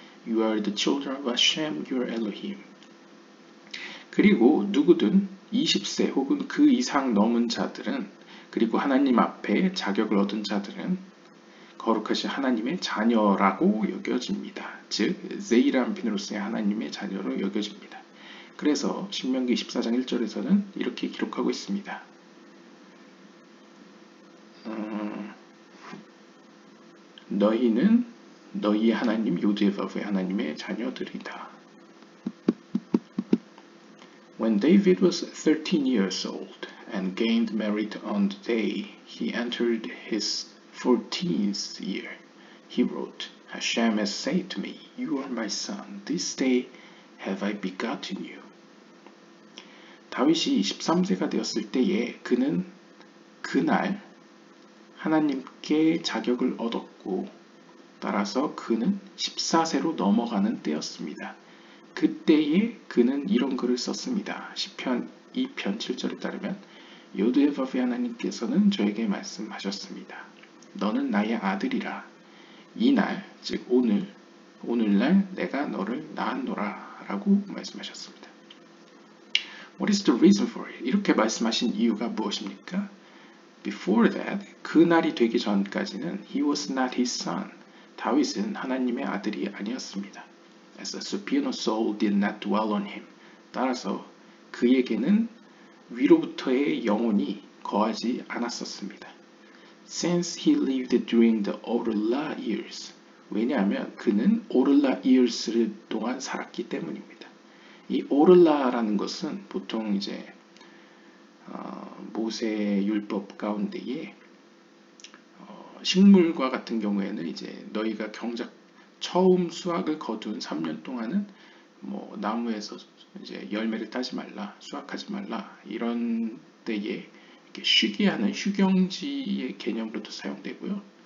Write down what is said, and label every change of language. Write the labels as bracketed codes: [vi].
[en] You are the children of Hashem, your Elohim. [ko] 그리고 누구든 20세 혹은 그 이상 넘은 자들은 그리고 하나님 앞에 자격을 얻은 자들은 거룩하신 하나님의 자녀라고 여겨집니다. 즉, 제이람핀으로서의 하나님의 자녀로 여겨집니다. 그래서 신명기 14장 1절에서는 이렇게 기록하고 있습니다. 너희는 너희의 하나님 요제바브의 하나님의 자녀들이다. [en] When David was 13 years old and gained merit on the day he entered his 14th year, he wrote, Hashem has said to me, You are my son. This day have I begotten you. [ko] 다윗이 13세가 되었을 때에 그는 그날 하나님께 자격을 얻었고 따라서 그는 14세로 넘어가는 때였습니다. 그때에 그는 이런 글을 썼습니다. 시편 2편 7절에 따르면 요드에바브의 하나님께서는 저에게 말씀하셨습니다. 너는 나의 아들이라. 이날, 즉 오늘날 내가 너를 낳았노라 라고 말씀하셨습니다. [en] What is the reason for it? [ko] 이렇게 말씀하신 이유가 무엇입니까? [en] Before that, [ko] 그날이 되기 전까지는 [en] he was not his son. [ko] 다윗은 하나님의 아들이 아니었습니다. [en] as a superior soul did not dwell on him. [ko] 따라서 그에게는 위로부터의 영혼이 거하지 않았었습니다. [en] Since he lived during the Orla years. [ko] 왜냐하면 그는 Orla years를 동안 살았기 때문입니다. 이 Orla라는 것은 보통 이제 모세율법 가운데에 식물과 같은 경우에는 이제 너희가 경작 처음 수확을 거둔 3년 동안은 뭐 나무에서 이제 열매를 따지 말라, 수확하지 말라 이런 때에 이렇게 쉬게 하는 휴경지의 개념으로도 사용되고요.